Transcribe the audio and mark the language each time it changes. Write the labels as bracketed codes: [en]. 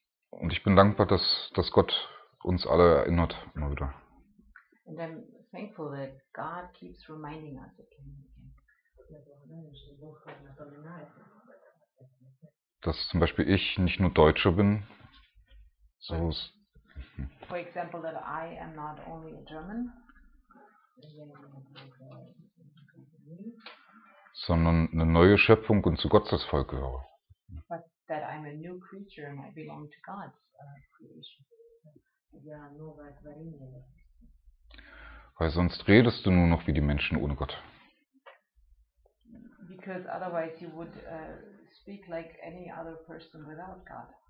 [de] Und ich bin dankbar, dass Gott uns alle erinnert, immer wieder. [en] And I'm thankful that God keeps reminding us again. [de] Dass zum Beispiel ich nicht nur Deutscher bin, so [en] for example, that I am not only a German, [de] sondern eine neue Schöpfung und zu Gottes Volk gehöre. [en] But that I'm a new creature and I belong to God's creation. [de] Ja, nur weil es war in mir. Weil sonst redest du nur noch wie die Menschen ohne Gott. [en] Because otherwise you would speak like any other person without God.